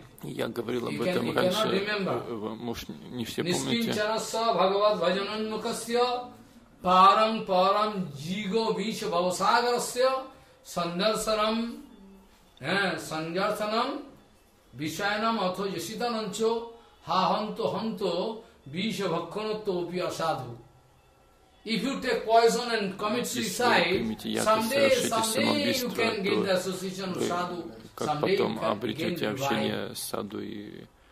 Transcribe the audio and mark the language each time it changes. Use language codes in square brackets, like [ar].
[ru] Я говорил об этом раньше, может, не все помните. [sa] Парам парам джиго виш бавасагарасья Сандарсанам, Сандарсанам, Вишайнам, Атхо, Яситананчо, Ха-ханто, Ханто, Виша-бхакханатто, Опи-асадху. [en] If you take poison and commit suicide, someday you can gain the association of sadhu. [ru] Как потом обретете общение с саду и